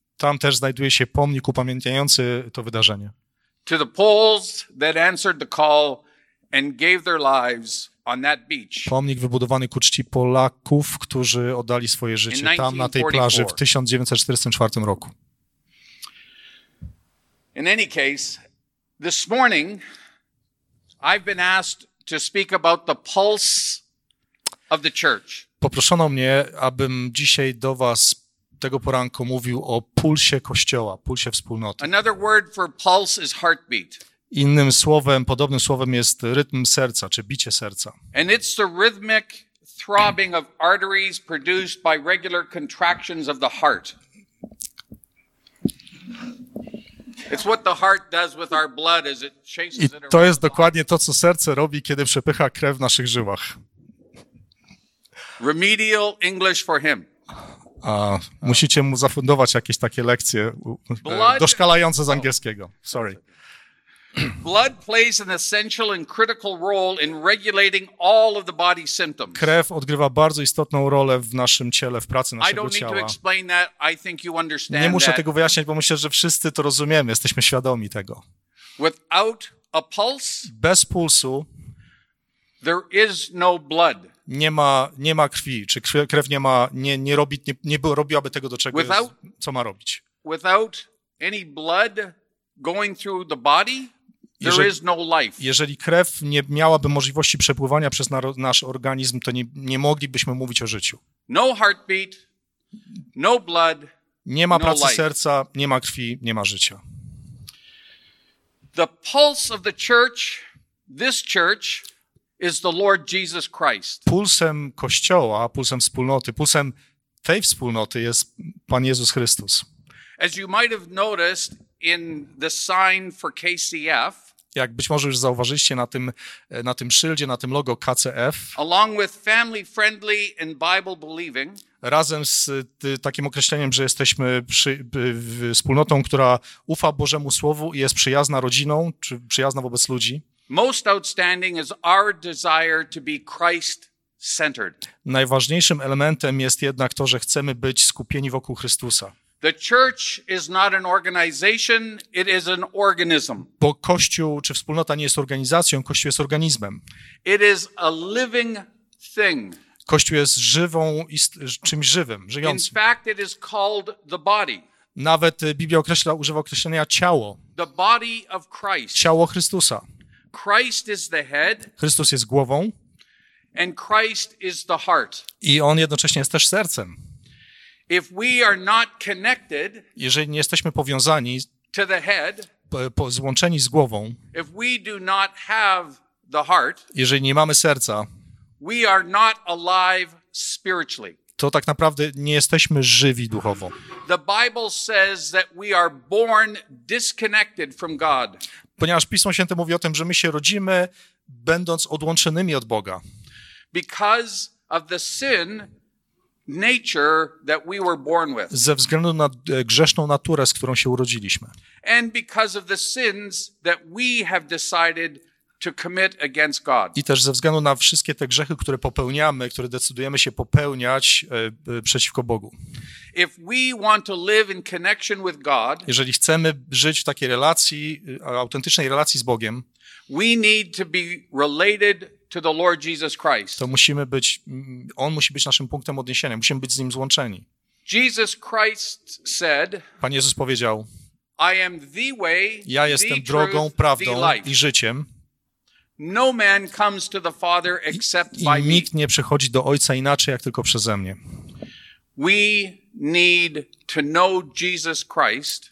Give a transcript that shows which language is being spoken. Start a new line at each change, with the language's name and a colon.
Polish: Tam też znajduje się pomnik upamiętniający to wydarzenie.
English: To the Poles that answered the call and gave their lives on that beach.
Polish: Pomnik wybudowany ku czci Polaków, którzy oddali swoje życie tam na tej plaży w 1944 roku.
English: In any case, this morning I've been asked to speak about the pulse of the church.
Polish: Poproszono mnie, abym dzisiaj do was tego poranku mówił o pulsie Kościoła, pulsie wspólnoty.
English: Another word for pulse is heartbeat.
Polish: Innym słowem, podobnym słowem jest rytm serca, czy bicie serca.
English: And it's the rhythmic throbbing of arteries produced by regular contractions of the heart. It's what the heart does with our blood as it chases it around.
Polish: I to jest dokładnie to, co serce robi, kiedy przepycha krew w naszych żyłach.
English: Remedial English for him.
Polish: A musicie mu zafundować jakieś takie lekcje doszkalające z angielskiego.
English: Sorry. Blood plays an essential and critical role in regulating all of the body symptoms.
Polish: Krew odgrywa bardzo istotną rolę w naszym ciele, w pracy naszego ciała.
English: I don't need to explain that. I think you understand that.
Polish: Nie muszę tego wyjaśniać, bo myślę, że wszyscy to rozumiemy, jesteśmy świadomi tego.
English: Without a pulse,
Polish: bez pulsu,
English: there is no blood.
Polish: Nie ma krwi, czy krew nie robiłaby tego, do czego
English: without,
Polish: jest, co ma robić.
English: Without any blood going through the body, there is no life.
Polish: Jeżeli krew nie miałaby możliwości przepływania przez nasz organizm, to nie moglibyśmy mówić o życiu.
English: No heartbeat, no blood,
Polish: nie ma
English: no
Polish: pracy
English: life.
Polish: Serca, nie ma krwi, nie ma życia.
English: The pulse of the church, this church, is the Lord Jesus Christ.
Polish: Pulsem Kościoła, pulsem wspólnoty, pulsem tej wspólnoty jest Pan Jezus Chrystus.
English: As you might have noticed in the sign for KCF,
Polish: jak być może już zauważyliście na tym szyldzie, na tym logo KCF,
English: along with family friendly and Bible believing,
Polish: razem z takim określeniem, że jesteśmy wspólnotą, która ufa Bożemu Słowu i jest przyjazna rodziną, czy przyjazna wobec ludzi.
English: Most outstanding is our desire to be Christ-centered.
Polish: Najważniejszym elementem jest jednak to, że chcemy być skupieni wokół Chrystusa.
English: The church is not an organization, it is an organism.
Polish: Bo Kościół czy wspólnota nie jest organizacją, Kościół jest organizmem.
English: It is a living thing.
Polish: Kościół jest żywą, czymś żywym, żyjącym.
English: In fact, it is called the body.
Polish: Nawet Biblia używa określenia ciało.
English: The body of Christ.
Polish: Ciało Chrystusa.
English: Christ is the head.
Polish: Chrystus jest głową.
English: And Christ is the heart.
Polish: I on jednocześnie jest też sercem.
English: If we are not connected,
Polish: jeżeli nie jesteśmy powiązani,
English: to the head,
Polish: złączeni z głową,
English: if we do not have the heart,
Polish: jeżeli nie mamy serca,
English: we are not alive spiritually.
Polish: To tak naprawdę nie jesteśmy żywi duchowo.
English: The Bible says that we are born disconnected from God.
Polish: Ponieważ Pismo Święte mówi o tym, że my się rodzimy, będąc odłączonymi od Boga.
English: Because of the sin nature that we were born with.
Polish: Ze względu na grzeszną naturę, z którą się urodziliśmy.
English: And because of the sins that we have decided to commit against God.
Polish: I też ze względu na wszystkie te grzechy, które popełniamy, które decydujemy się popełniać przeciwko Bogu.
English: If we want to live in connection with God,
Polish: jeżeli chcemy żyć w takiej relacji, autentycznej relacji z Bogiem,
English: we need to be related to the Lord Jesus Christ.
Polish: To musimy być, on musi być naszym punktem odniesienia, musimy być z nim złączeni.
English: Jesus Christ said,
Polish: Pan Jezus powiedział,
English: I am the way,
Polish: ja jestem drogą, prawdą i życiem.
English: No man comes to the Father except by me.
Polish: I nikt nie przychodzi do Ojca inaczej, jak tylko przeze mnie.
English: We need to know Jesus Christ.